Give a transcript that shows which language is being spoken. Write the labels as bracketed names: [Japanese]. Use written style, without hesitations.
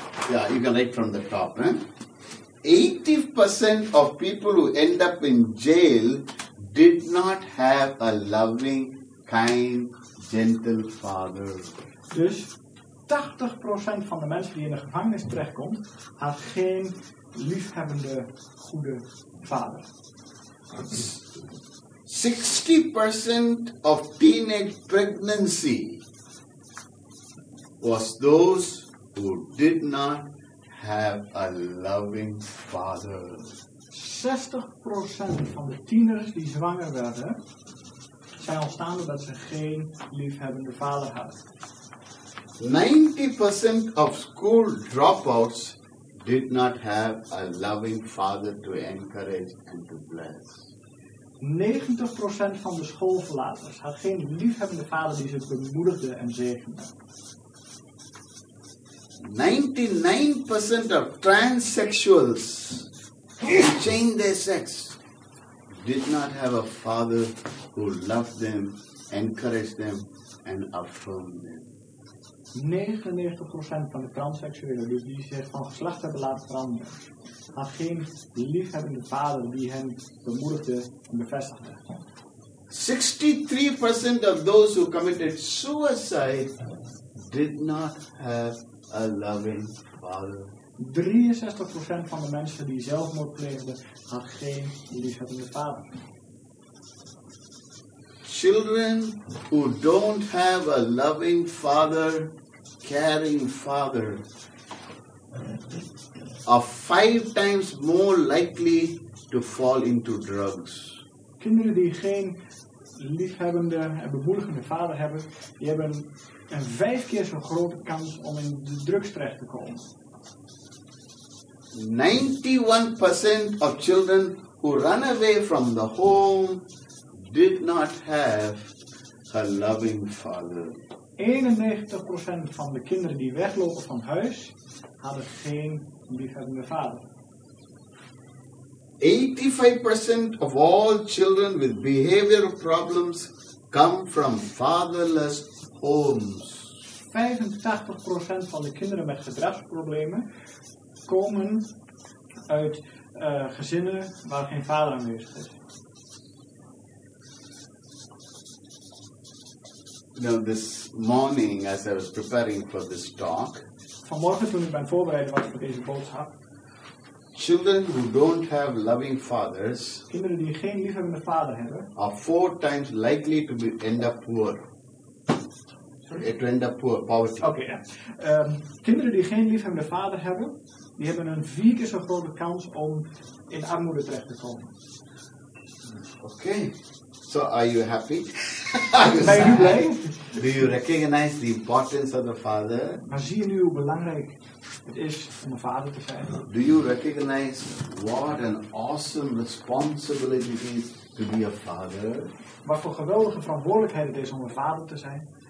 [English] Yeah, you can write from the top. Eh? 80% of people who end up in jail did not have a loving, kind, gentle father. [Dutch] Dus 80% van de mensen die in de gevangenis terechtkomt, had geen liefhebbende, goede vader. [English] 60% of teenage pregnancy was those who did not have a loving father. [Dutch] 60% van de tieners die zwanger werden, zijn ontstaan omdat ze geen liefhebbende vader hadden. [English] 90% of school dropouts did not have a loving father to encourage and to bless. [Dutch] 90% van de schoolverlaters had geen liefhebbende vader die ze bemoedigde en zegende. [English] 99% of transsexuals who changed their sex did not have a father who loved them, encouraged them and affirmed them. [Dutch] 99% van de transseksuelen die zich van geslacht hebben laten veranderen, had geen liefhebbende vader die hen bemoedigde en bevestigde. [English] 63% of those who committed suicide did not have a loving father. [Dutch] 63% van de mensen die zelfmoord pleegden, had geen liefhebbende vader. [English] Children who don't have a loving father, caring father, are 5 times more likely to fall into drugs. [Dutch] Kinderen die geen liefhebbende en bemoedigende vader hebben, die hebben een 5 keer zo grote kans om in de drugs terecht te komen. [English] 91% of children who run away from the home did not have a loving father. [Dutch] 91% van de kinderen die weglopen van huis hadden geen liefhebbende vader. [English] 85% of all children with behavioral problems come from fatherless homes. [Dutch] 85% van de kinderen met gedragsproblemen komen uit gezinnen waar geen vader aanwezig is. [English] Now this morning, as I was preparing for this talk, [Dutch] vanmorgen toen ik ben voorbereid was voor deze boodschap, [English] children who don't have loving fathers, [Dutch] kinderen die geen liefhebbende vader hebben, [English] are 4 times likely to be end up poor. Sorry? To end up poor, poverty. Okay, yeah. [Dutch] Kinderen die geen liefhebbende vader hebben, die hebben een 4 keer zo grote kans om in armoede terecht te komen. [English] Okay. So, are you happy? Are you [Dutch] blij? [English] Do you recognize the importance of the father? [Dutch] Maar zie je nu hoe belangrijk het is om een vader te zijn? [English] Do you recognize what an awesome responsibility it is to be a father? [Dutch] Wat voor geweldige verantwoordelijkheid het is om een vader te zijn?